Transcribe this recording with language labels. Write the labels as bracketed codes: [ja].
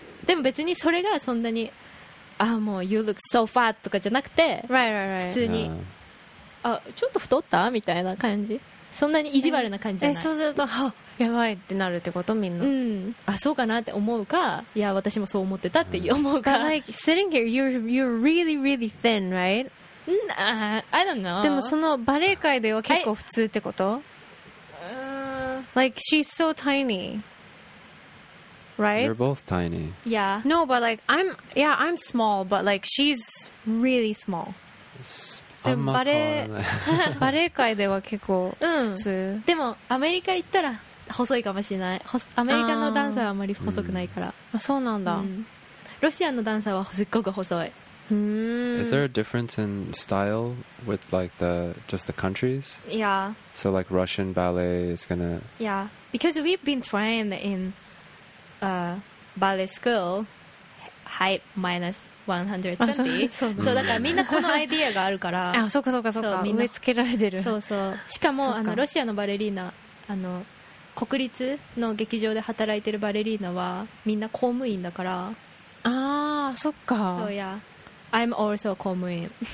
[ja] でも別にそれがそんなに、あ、もう [en] you look so fat [ja] とかじゃなくて、 [en] right, right, right. [ja] 普通に、あ、ちょっと太ったみたいな感じ。そんなに意地悪な感じじゃない。そうすると、は、やばいってなるってことみんな。あ、そうかなって思うか、いや私もそう思ってたって思うか。 [en] But like sitting here, you're really, really thin, right? Nah, I don't know. [ja] でもそのバレエ界では結構普通ってこと？ [en] Like she's so tiny, right? You're both tiny. Yeah. No, but like I'm small, but like she's really small. [ja] でもバレエ界では結構普通。でもアメリカ行ったら細いかもしれない。アメリカのダンサーはあまり細くないから。あ、そうなんだ。ロシアのダンサーはすっごく細い。 [en] Is there a difference in style with like the just the countries? Yeah. So like Russian ballet is gonna. Yeah, because we've been trained in ballet school, height minus 120. So [ja] だからみんなこのアイディアがあるから。あ、そうかそうかそうか。植え付けられてる。そうそう。しかもあのロシアのバレリーナあの国立の劇場で働いてるバレリーナはみんな公務員だから。ああ、そっか。そうや。 [en] I'm also [ja] 公務員。